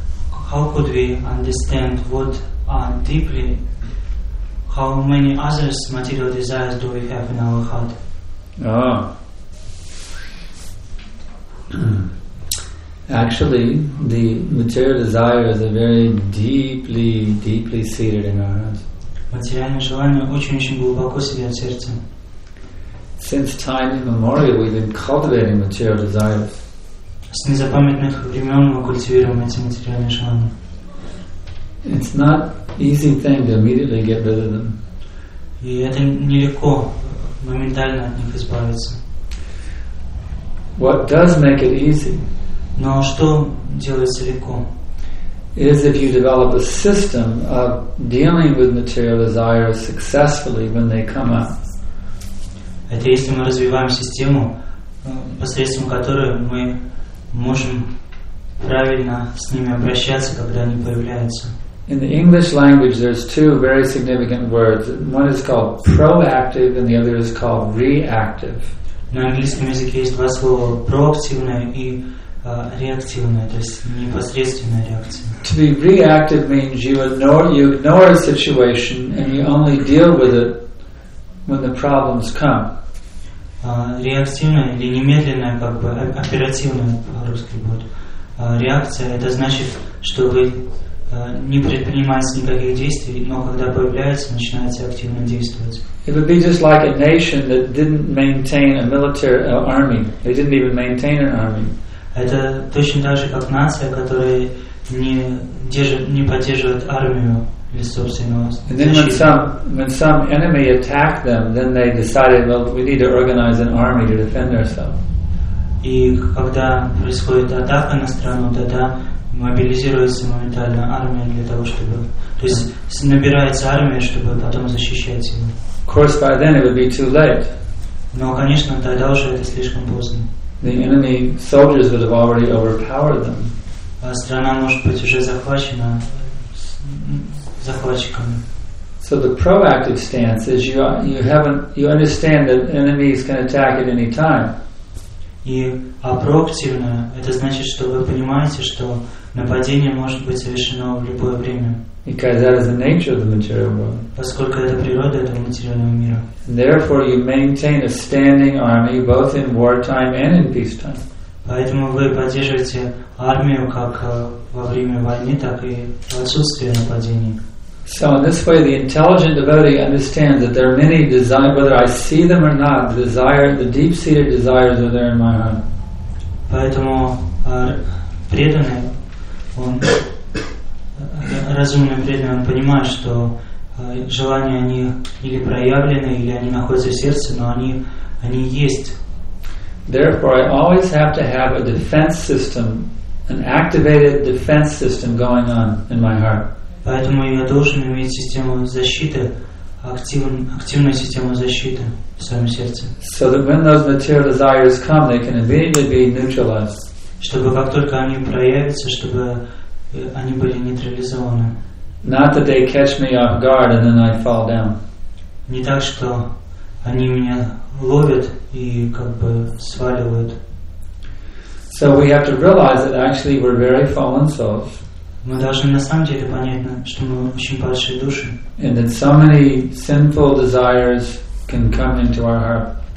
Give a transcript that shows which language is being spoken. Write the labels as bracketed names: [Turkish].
[English] how could we understand what are deeply, how many other material desires do we have in our heart? Actually, the material desires are very deeply, deeply seated in our hearts. [Russian] Материальные желания очень-очень глубоко сидят в сердце. [English] Since time immemorial, we've been cultivating material desires. [Russian] С незапамятных времен мы культивируем эти материальные желания. [English] It's not easy thing to immediately get rid of them. [Russian] И это нелегко моментально от них избавиться. [English] What does make it easy? [Russian] Но что делается легко? [English] Is if you develop a system of dealing with material desires successfully when they come up. [Russian] Это если мы развиваем систему, посредством которой мы можем правильно с ними обращаться, когда они появляются. [English] In the English language, there's two very significant words. One is called proactive, and the other is called reactive. [Russian] На английском языке есть два слова: проактивное и реактивное, то есть непосредственная реакция. [English] To be reactive means you ignore a situation and you only deal with it when the problems come. [Russian] Реактивное или немедленное, как бы оперативное по-русски будет. Реакция — это значит, что вы не предпринимаете никаких действий, но когда появляется, начинаете активно действовать. [English] It would be just like a nation that didn't maintain a military army. They didn't even maintain an army. [Russian] Это точно так же, как нация, которая не поддерживает армию или собственного. [English] And then when some enemy attacked them, then they decided, well, we need to organize an army to defend ourselves. [Russian] И когда происходит атака на страну, тогда мобилизируется моментально армия для того, чтобы, то есть набирается армия, чтобы потом защищать его. [English] Of course, by then it would be too late. [Russian] Но, конечно, тогда уже это слишком поздно. [English] The enemy soldiers would have already overpowered them. [Russian] Страна может быть уже захвачена захватчиками. [English] So the proactive stance is you understand that the enemy is going to attack at any time. [Russian] А проактивное — это значит, что вы понимаете, что нападение может быть совершено в любое время. [English] Because that is the nature of the material world. [Russian] Поскольку это природа этого материального мира. [English] Therefore, you maintain a standing army both in wartime and in peacetime. [Russian] Поэтому вы поддерживаете армию как во время войны, так и в отсутствие нападений. [English] So in this way, the intelligent devotee understands that there are many desires, whether I see them or not. The desire, the deep-seated desires, are there in my heart. [Russian] Поэтому преданный, он разумный преданный, он понимает, что желания, они или проявлены, или они находятся в сердце, но они есть. [English] Therefore, I always have to have a defense system, an activated defense system going on in my heart. [Russian] Поэтому я должен иметь систему защиты, активную систему защиты в своем сердце. [English] So that when those material desires come, they can immediately be neutralized. [Russian] Чтобы как только они проявятся, чтобы они были нейтрализованы. [English] Not that they catch me off guard and then I fall down. [Russian] Не так, что они меня ловят и как бы сваливают. [English] So we have to realize that actually we're very fallen souls. [Russian] Мы должны на самом деле понять, что мы очень падшие души. [English] And that so many sinful desires can come into our heart.